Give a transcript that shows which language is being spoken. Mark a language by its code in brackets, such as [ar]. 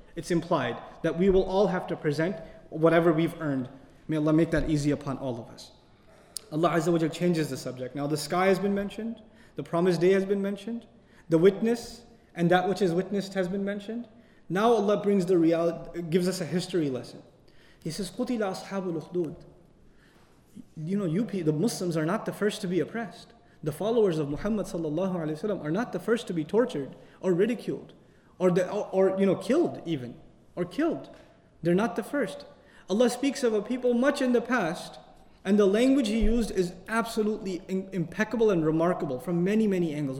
[en] It's implied that we will all have to present whatever we've earned. May Allah make that easy upon all of us. Allah Azza wa Jalla changes the subject. Now the sky has been mentioned, the promised day has been mentioned, the witness and that which is witnessed has been mentioned. Now Allah brings the reality, gives us a history lesson. He says, [ar] قُتِلَ أَصْحَابُ الْأُخْدُودِ. [en] You know, the Muslims are not the first to be oppressed. The followers of Muhammad sallallahu alayhi wa sallam are not the first to be tortured or ridiculed or killed. They're not the first. Allah speaks of a people much in the past, and the language He used is absolutely impeccable and remarkable from many, many angles.